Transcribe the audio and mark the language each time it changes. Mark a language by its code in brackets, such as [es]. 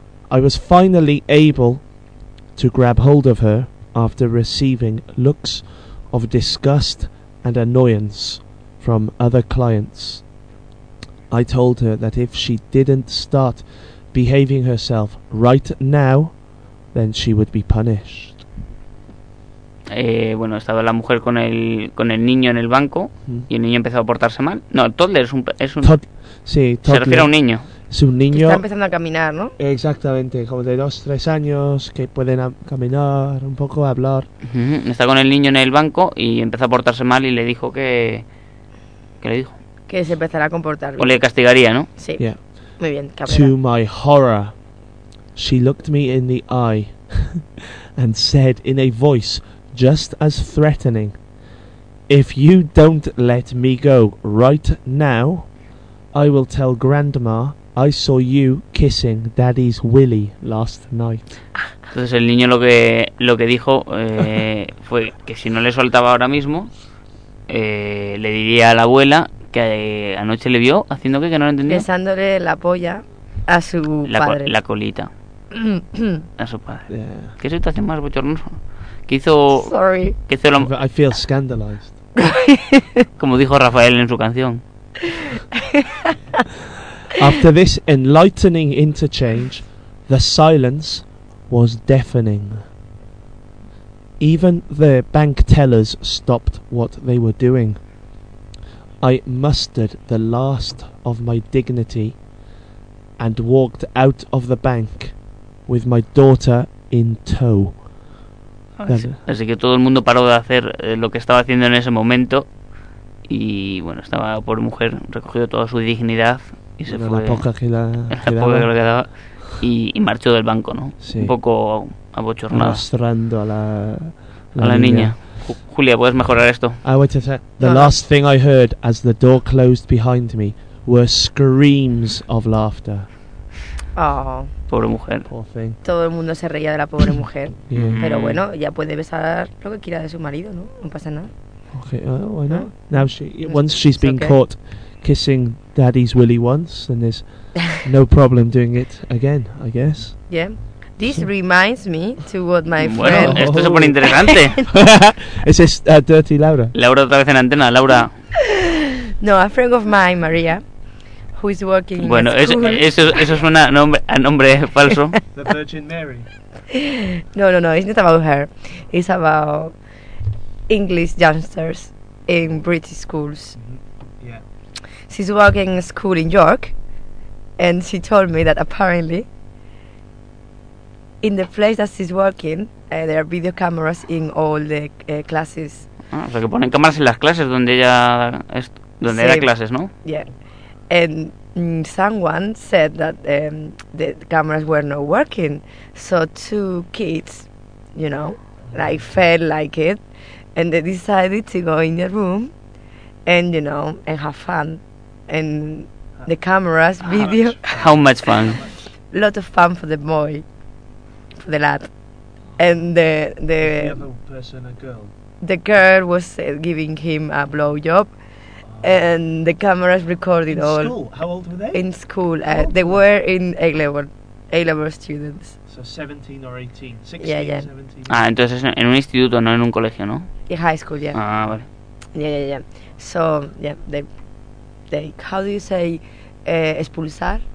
[en] I was finally able to grab hold of her after receiving looks of disgust and annoyance from other clients. I told her that if she didn't start behaving herself right now, then she would be punished. [es] Bueno, estaba la mujer con el niño en el banco y el niño empezó a portarse mal. No, el toddler [en] toddler. [es] Se refiere a un niño. Es un niño que está empezando a caminar, ¿no? Exactamente, como de 2-3 años, que pueden caminar un poco, hablar. Uh-huh. Está con el niño en el banco y empezó a portarse mal y le dijo que le dijo que se empezará a comportar bien. O le castigaría, ¿no? Sí. [en] Yeah. [es] Muy bien, cabrera. [en] To my horror, she looked me in the eye and said in a voice just as threatening, "If you don't let me go right now, I will tell Grandma I saw you kissing Daddy's willy last night." [es] Entonces el niño lo que dijo fue que si no le soltaba ahora mismo, le diría a la abuela que anoche le vio haciendo que no lo entendía. Besándole la polla a su padre. La colita a su padre. [en] Yeah. [es] ¿Qué situación más bochornosa? Que hizo... [en] Sorry. [es] Que hizo [en] I feel scandalized. [es] Como dijo Rafael en su canción. [en] After this enlightening interchange, the silence was deafening. Even the bank tellers stopped what they were doing. I mustered the last of my dignity and walked out of the bank with my daughter in tow. [es] Así que todo el mundo paró de hacer lo que estaba haciendo en ese momento y bueno, estaba la pobre mujer recogió toda su dignidad y se fue la poca que quedaba y marchó del banco, ¿no? Sí. Un poco abochornado arrastrando a la niña. Julia, ¿puedes mejorar esto? [en] I wait a sec. The last thing I heard as the door closed behind me were screams of laughter. Oh. [es] Pobre mujer. Todo el mundo se reía de la pobre mujer. [en] Yeah. [es] Pero bueno, ya puede besar lo que quiera de su marido, ¿no? No pasa nada. [en] Okay, bueno. Now once she's been okay. Caught kissing Daddy's willy once, then there's no problem doing it again, I guess. Yeah. This reminds me to what my [es] bueno, [en] friend. [es] Bueno, esto se pone interesante. Es Dirty Laura. Laura otra vez en antena, Laura. [en] No, a friend of mine, Maria. Who is working [es] bueno, [en] in school. [es] Eso suena a nombre falso. [en] The Virgin Mary. No, it's not about her. It's about English youngsters in British schools. Mm-hmm. Yeah. She's working in school in York, and she told me that apparently in the place that she's working, there are video cameras in all the classes. [es] Ah, o sea, que ponen cámaras en las clases donde ella da clases, ¿no? [en] Yeah. And someone said that the cameras were not working, so two kids, you know, like felt like it, and they decided to go in the room, and you know, and have fun, and the cameras, video. How much fun? Lot of fun for the boy, for the lad. And the other person, a girl? The girl was giving him a blowjob. And the cameras recorded in all. In school? How old were they? In school. They were in A-level students. So 17 or 18. 16, yeah, yeah. 17. [es] Ah, entonces en un instituto, no en un colegio, ¿no? [en] In high school, yeah. [es] Ah, vale. [en] Yeah, yeah, yeah. So, yeah, they how do you say, expulsar?